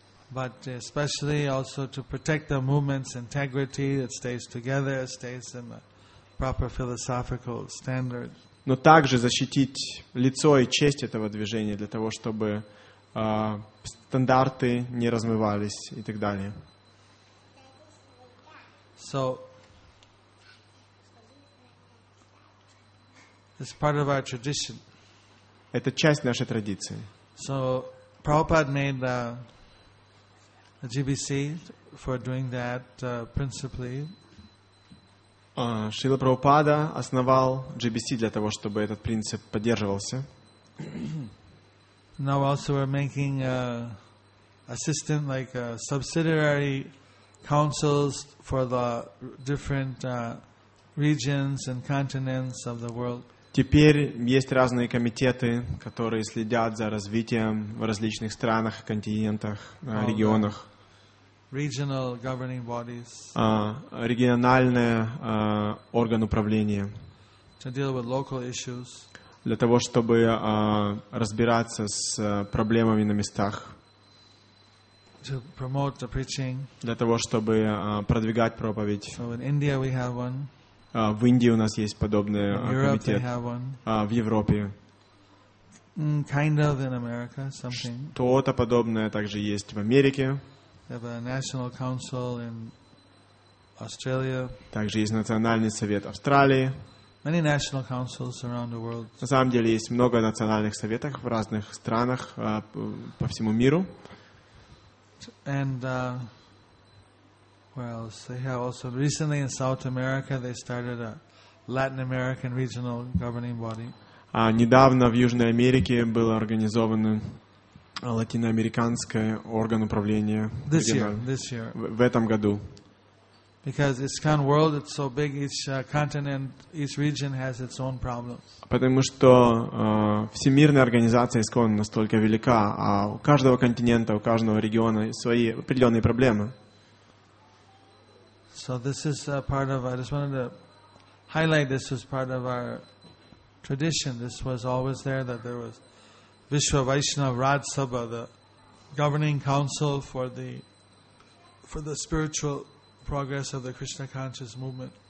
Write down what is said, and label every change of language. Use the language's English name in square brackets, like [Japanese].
[English] But especially also to protect the movement's integrity, it stays together, it stays in the proper philosophical standard. [Russian] Но также защитить лицо и честь этого движения для того, чтобы стандарты не размывались и так далее. [English] So it's part of our tradition. [Russian] Это часть нашей традиции. [English] So Prabhupada made the GBC for doing that principally. [Russian] Шрила Прабхупада основал GBC для того, чтобы этот принцип поддерживался. [English] Now also we're making assistant like subsidiary councils for the different regions and continents of the world. [Russian] Теперь есть разные комитеты, которые следят за развитием в различных странах, континентах, регионах. [English] Regional governing bodies. [Russian] Региональные орган управления. [English] To deal with local issues. [Russian] Для того, чтобы разбираться с проблемами на местах. [English] To promote the preaching. [Russian] Для того, чтобы продвигать проповедь. [English] So in India we have one. [Russian] В Индии у нас есть подобный комитет. В Европе. [English] Kind of in America, something. [Russian] Что-то подобное также есть в Америке. [English] They have a national council in Australia. [Russian] Также есть национальный совет Австралии. [English] Many national councils around the world. [Russian] На самом деле есть много национальных советов в разных странах по всему миру. [English] And where else? They have also recently in South America they started a Latin American regional governing body. [Russian] Недавно в Южной Америке был организован латиноамериканский орган управления. [English] This year. [Russian] В этом году. [English] Because ISKCON World, it's so big. Each continent, each region has its own problems. [Russian] Потому что всемирная организация ISKCON настолько велика, а у каждого континента, у каждого региона свои определенные проблемы. [English] So this is a part of. I just wanted to highlight this was part of our tradition. This was always there that there was Vishwa Vaishnava Raj Sabha, the governing council for the spiritual progress of the Krishna conscious movement.